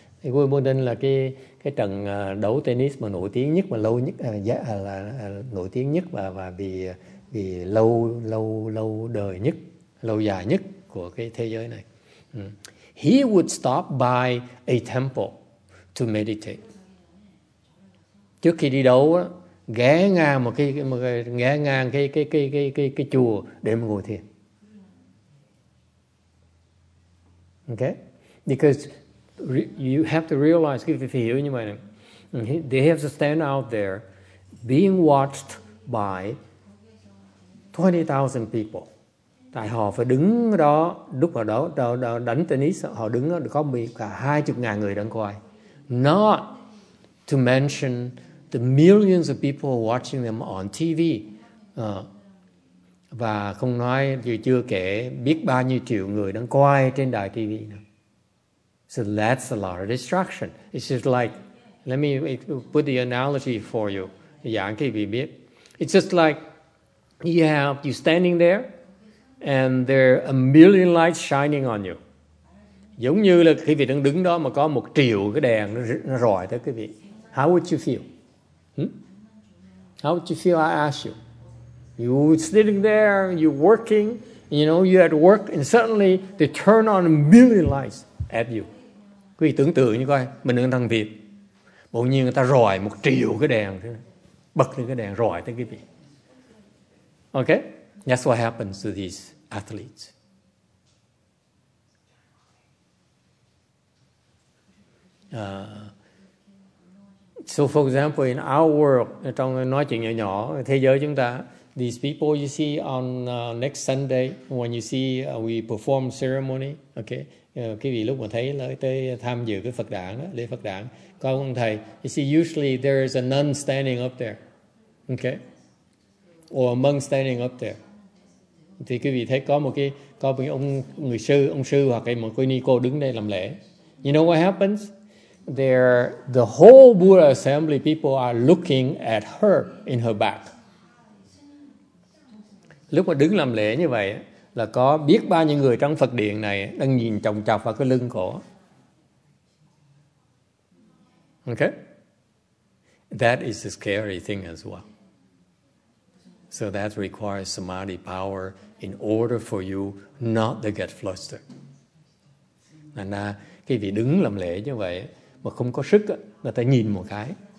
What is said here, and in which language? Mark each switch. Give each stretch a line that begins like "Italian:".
Vietnamese: Wimbledon là cái trận đấu tennis mà nổi tiếng nhất, mà lâu nhất, nổi tiếng nhất và vì lâu đời nhất, lâu dài nhất của cái thế giới này.
English: He would stop by a temple to meditate.
Vietnamese: Trước khi đi đấu, ghé ngang cái chùa để mà ngồi thiền.
English: Okay? Because you have to realize, if you hear anybody, they have to stand out there being watched by 20,000 people.
Vietnamese: Tại họ phải đứng đó, lúc vào đó đánh tennis, họ đứng đó có cả 20,000 người đang coi.
English: Not to mention the millions of people watching them on TV.
Vietnamese: Và không nói, chưa kể biết bao nhiêu triệu người đang coi trên đài TV.
English: So that's a lot of distraction. It's just like Let me put the analogy for you. It's just like you're standing there and there are a million lights shining on you.
Vietnamese: Giống như là quý vị đang đứng đó mà có một triệu cái đèn nó rọi tới quý vị.
English: How would you feel? How would you feel, I ask you? You're sitting there, you're working, you know, you're at work, and suddenly they turn on a million lights at you.
Vietnamese: Quý vị tưởng tượng như coi, mình đang làm việc. Bỗng nhiên người ta rọi một triệu cái đèn. Bật lên cái đèn rọi tới quý vị.
English: Okay? That's what happens to these athletes. So for example, in our world,
Vietnamese: trong nói chuyện nhỏ nhỏ, thế giới chúng ta,
English: these people you see on next Sunday, when you see we perform ceremony, okay,
Vietnamese: quý vị lúc mà thấy là tới tham dự cái Phật đản, lễ Phật đản, có ông thầy,
English: you see, usually there is a nun standing up there, okay, or a monk standing up there.
Vietnamese: Thì quý vị thấy có một cái, có một ông người sư, ông sư hoặc là một cô ni cô đứng đây làm lễ.
English: You know what happens? There, the whole Buddha assembly people are looking at her in her back.
Vietnamese: Lúc mà đứng làm lễ như vậy là có biết bao nhiêu người trong Phật điện này đang nhìn chồng chọc vào cái lưng cổ.
English: Okay? That is a scary thing as well. So that requires samadhi power in order for you not to get flustered.
Vietnamese: Nên là cái vị đứng làm lễ như vậy mà không có sức, người ta nhìn một cái.